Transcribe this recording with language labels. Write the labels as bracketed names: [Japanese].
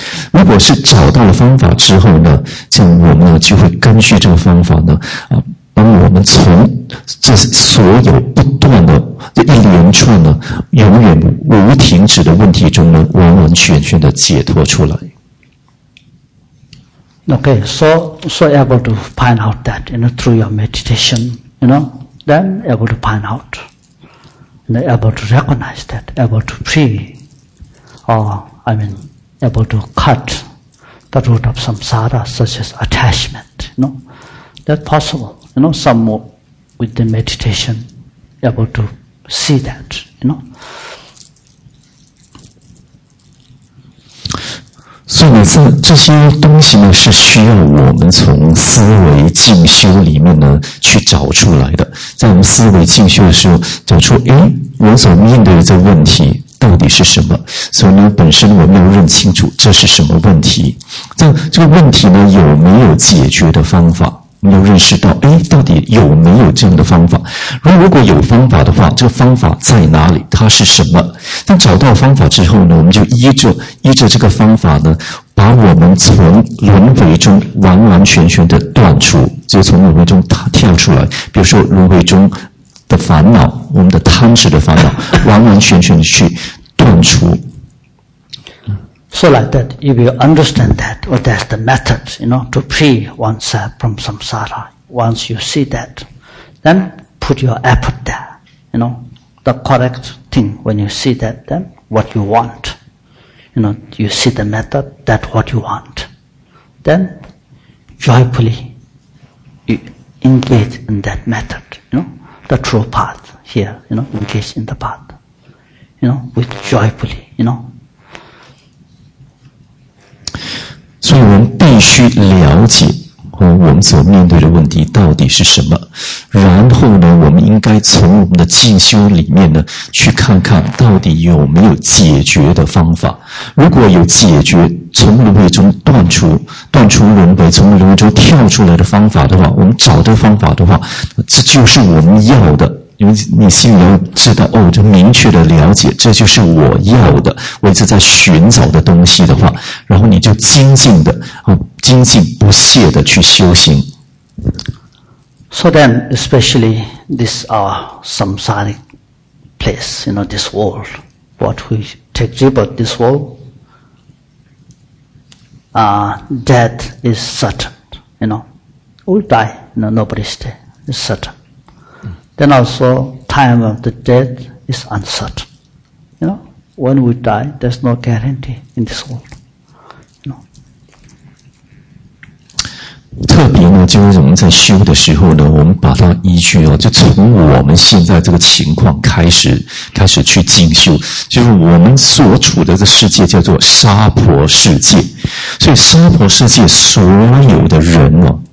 [Chinese] 如果是找到了方法之后呢，这样我们呢就会根据这个方法呢帮我们从这所有不断的这一连串呢永远无停止的问题中呢完完全全的解脱出来。 [English] Okay, so able to find out that, you know, through your meditation, you know, then able to find out, and able to recognize that, able to free, able to cut the root of samsara, such as attachment, you know, that's possible. You know, some with the meditation, able to see that, you know. [Chinese] 所以这些东西呢，是需要我们从思维进修里面呢去找出来的。在我们思维进修的时候，找出我所面对的这问题到底是什么？所以呢，本身我们要认清楚这是什么问题。这个问题呢，有没有解决的方法？我们要认识到，到底有没有这样的方法？如果有方法的话，这个方法在哪里？它是什么？但找到方法之后呢，我们就依着这个方法呢，把我们从轮回中完完全全的断除，就从轮回中跳出来。比如说轮回中的烦恼，我们的贪执的烦恼，完完全全的去断除。 [English] So like that, if you understand that, or that's the method, you know, to free oneself from samsara, once you see that, then put your effort there, you know, the correct thing when you see that, then what you want. You know, you see the method, that's what you want. Then, joyfully, you engage in that method, you know, the true path here, you know, engage in the path, you know, with joyfully, you know, [Chinese] 所以我们必须了解我们所面对的问题到底是什么，然后呢，我们应该从我们的进修里面呢去看看到底有没有解决的方法。如果有解决，从轮回中断除，断除轮回，从轮回中跳出来的方法的话，我们找的方法的话，这就是我们要的。因为你心里要知道，哦，就明确的了解，这就是我要的，我一直在寻找的东西的话，然后你就精进的，精进不懈的去修行。 [English] So then, especially this our samsaric place, you know, this world, what we take about this world, death is certain, you know, we'll die, you know, nobody stay, it's certain. Then also, time of the death is uncertain. You know, when we die, there's no guarantee in this world. You know. [Chinese] 特别呢，就是我们在修的时候呢，我们把它依据哦，就从我们现在这个情况开始去进修，就是我们所处的这世界叫做娑婆世界，所以娑婆世界所有的人哦。